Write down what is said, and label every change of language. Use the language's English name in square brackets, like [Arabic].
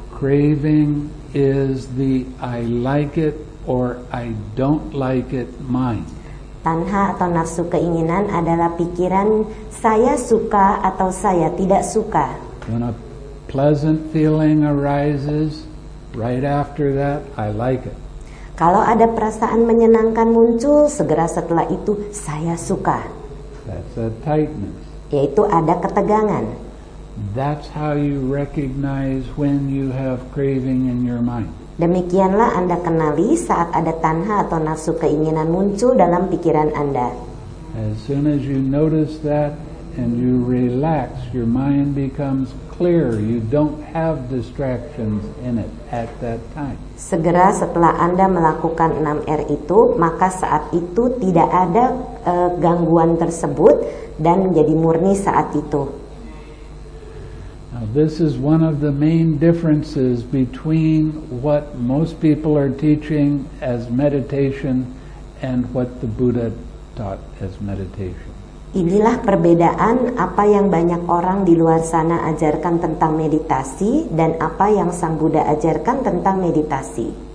[English] Craving is the I like it or I don't like it mind. [Indonesian] Tanha atau nafsu keinginan adalah pikiran saya suka atau saya tidak suka. [English] When a pleasant feeling arises, right after that, I like it. [Indonesian] Kalau ada perasaan menyenangkan muncul, segera setelah itu saya suka. [English] That's a tightness. [Indonesian] Yaitu ada ketegangan. [English] That's how you recognize when you have craving in your mind. [Indonesian] Demikianlah Anda kenali saat ada tanha atau nafsu keinginan muncul dalam pikiran Anda. [English] As soon as you notice that and you relax, your mind becomes clear. You don't have distractions in it at that time. [Indonesian] Segera setelah Anda melakukan 6R itu, maka saat itu tidak ada gangguan tersebut dan menjadi murni saat itu. [English] Now, this is one of the main differences between what most people are teaching as meditation and what the Buddha taught as meditation. [Indonesian] Inilah perbedaan apa yang banyak orang di luar sana ajarkan tentang meditasi dan apa yang Sang Buddha ajarkan tentang meditasi.